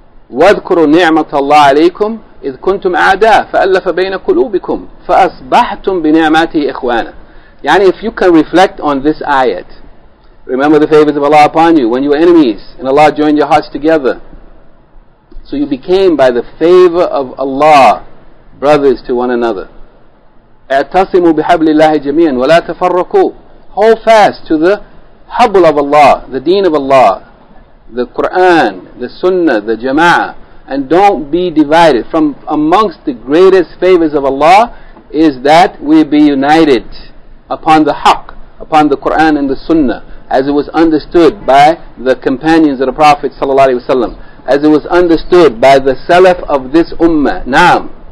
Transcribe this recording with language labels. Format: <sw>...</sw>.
<ar>وَذْكُرُوا نِعْمَةَ اللَّهِ عَلَيْكُمْ إِذْ كُنْتُمْ أَعْدَى فَأَلَّفَ بَيْنَ قُلُوبِكُمْ فَأَصْبَحْتُمْ بِنِعْمَاتِهِ إِخْوَانًا.</ar> <en>Yani if you can reflect on this ayat, remember the favors of Allah upon you when you were enemies and Allah joined your hearts together. So you became, by the favor of Allah, brothers to one another.</en> <ar>اعتصموا بحبل الله جميعا ولا تفرقوا.</ar> <en>Hold fast to the habl of Allah, the deen of Allah, the Quran, the Sunnah, the Jama'ah, and don't be divided. From amongst the greatest favors of Allah is that we be united upon the haqq, upon the Quran and the Sunnah, as it was understood by the companions of the Prophet sallallahu alaihi wasallam, as it was understood by the Salaf of this Ummah. Naam.</en>